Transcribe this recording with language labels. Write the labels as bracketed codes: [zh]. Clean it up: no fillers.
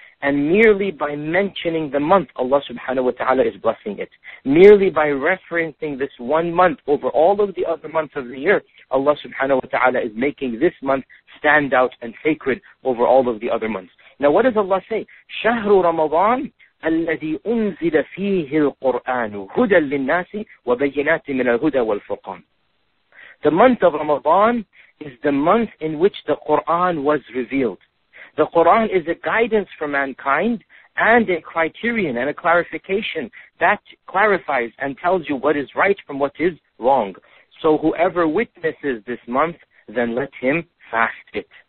[en] And merely by mentioning the month, Allah subhanahu wa ta'ala is blessing it. Merely by referencing this one month over all of the other months of the year, Allah subhanahu wa ta'ala is making this month stand out and sacred over all of the other months. Now what does Allah say? [ar] شَهْرُ رَمَضَانَ الذي أنزل فيه القرآن هدى للناس وبينات من الهدى والفرقان. [en] The month of Ramadan is the month in which the Quran was revealed. The Quran is a guidance for mankind and a criterion and a clarification that clarifies and tells you what is right from what is wrong. So whoever witnesses this month, then let him fast it.